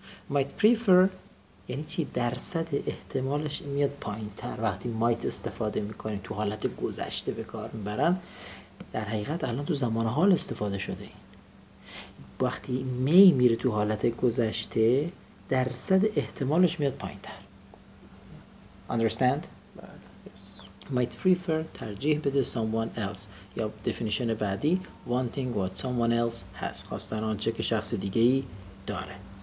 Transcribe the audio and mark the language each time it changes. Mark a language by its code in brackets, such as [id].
[fa] مایت پریفر یعنی چی؟ درصد احتمالش میاد پایین تر وقتی مایت استفاده میکنی، تو حالت گذشته به کار میبرن، در حقیقت الان تو زمان حال استفاده شده. وقتی می میره تو حالت گذشته، درصد احتمالش میاد پایین تر. [en] Understand؟ Yes. Might prefer، ترجیح بده someone else. [fa] یا دفینیشن بعدی، [en] wanting what someone else has، [fa] خواستن آنچه که شخص دیگه ای داره.